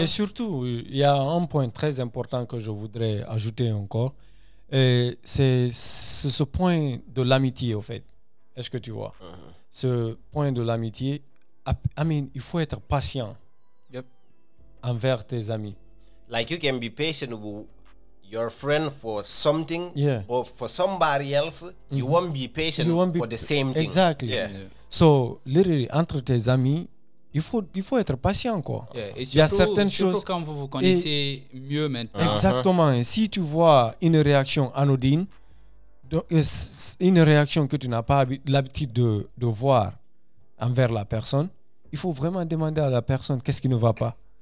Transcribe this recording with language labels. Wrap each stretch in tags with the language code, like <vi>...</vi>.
<fr>Et surtout, il y a un point très important que je voudrais ajouter encore, et c'est ce point de l'amitié. Au fait, est-ce que tu vois ce point de l'amitié?</fr> <en>I mean,</en> <fr>il faut être patient envers tes amis.</fr> <en>Like you can be patient with, your friend for something, yeah, or for somebody else, mm-hmm, you won't be patient for the same thing. Exactly. Yeah. So literally,</en> <fr>entre tes amis, il faut être patient, quoi. Yeah, et surtout, il y a certaines choses quand vous vous connaissez mieux maintenant. Exactement. Uh-huh. Et si tu vois une réaction anodine, une réaction que tu n'as pas l'habitude de voir envers la personne, il faut vraiment demander à la personne qu'est-ce qui ne va pas.</fr>